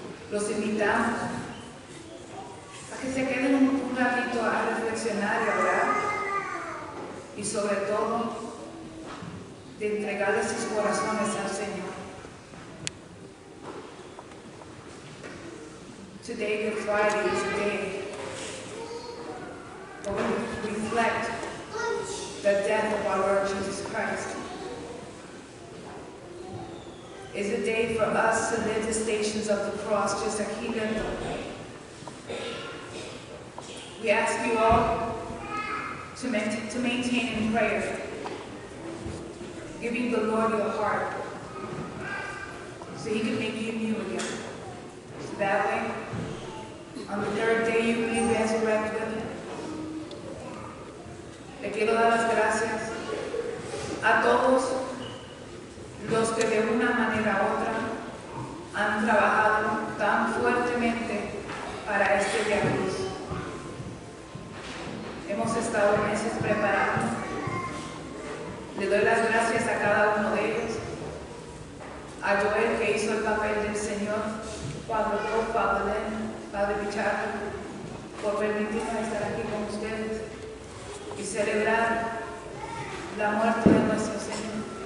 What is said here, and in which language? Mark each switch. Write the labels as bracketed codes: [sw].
[es] Los invitamos a que se queden un ratito a reflexionar y a orar, y sobre todo de entregarle sus corazones al Señor. [en] Today, Good Friday is a day where we reflect the death of our Lord Jesus Christ. It's a day for us to live the stations of the cross just like He did. We ask you all to maintain in prayer, giving the Lord your heart so He can make you new again. So that way, on the third day you will be resurrected. [es] Le quiero dar las gracias a todos los que de una manera u otra han trabajado tan fuertemente para este día. Hemos estado meses preparando. Le doy las gracias a cada uno de ellos, a Joel, que hizo el papel del Señor, Pablo Cruz, Pablo Len, Padre Pichardo, por permitirnos estar aquí con ustedes y celebrar la muerte de nuestro Señor.